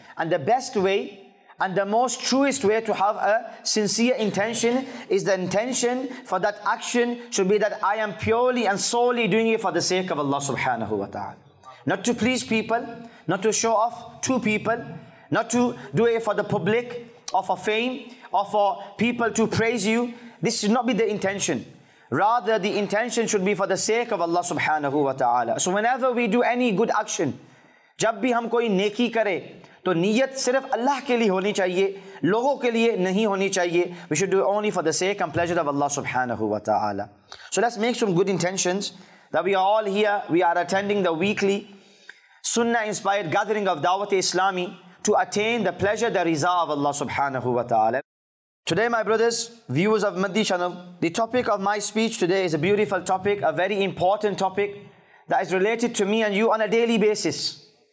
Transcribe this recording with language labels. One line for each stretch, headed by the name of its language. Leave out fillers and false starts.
English: And the best way and the most truest way to have a sincere intention is the intention for that action should be that I am purely and solely doing it for the sake of Allah subhanahu wa ta'ala. Not to please people, not to show off to people, not to do it for the public or for fame or for people to praise you. This should not be the intention. Rather, the intention should be for the sake of Allah subhanahu wa ta'ala. So whenever we do any good action,
Urdu: جب بھی ہم کوئی نیکی کرے، تو نیت صرف اللہ کے لیے ہونی چاہیے، لوگو کے لیے نہیں ہونی چاہیے۔
English: We should do it only for the sake and pleasure of Allah subhanahu wa ta'ala. So let's make some good intentions that we are all here, we are attending the weekly sunnah inspired gathering of Dawat-e-Islami to attain the pleasure, the rizā of Allah subhanahu wa ta'ala. Today, my brothers, viewers of Madhi channel, the topic of my speech today is a beautiful topic, a very important topic that is related to me and you on a daily basis.